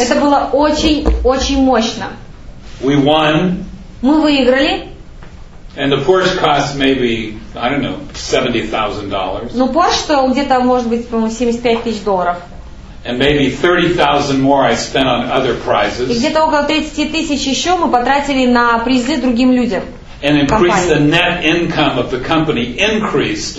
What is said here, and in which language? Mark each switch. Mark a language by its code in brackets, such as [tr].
[ru] Это было очень-очень мощно. [en] We won. [ru] Мы выиграли. [en] And the Porsche cost maybe, I don't know, $70,000. [ru] Ну, Porsche стоил где-то, может быть, по-моему, 75 тысяч долларов. [en] And maybe 30,000 more I spent on other prizes. [ru] И где-то около 30 тысяч еще мы потратили на призы другим людям. [en] And increased the net income of the company increased.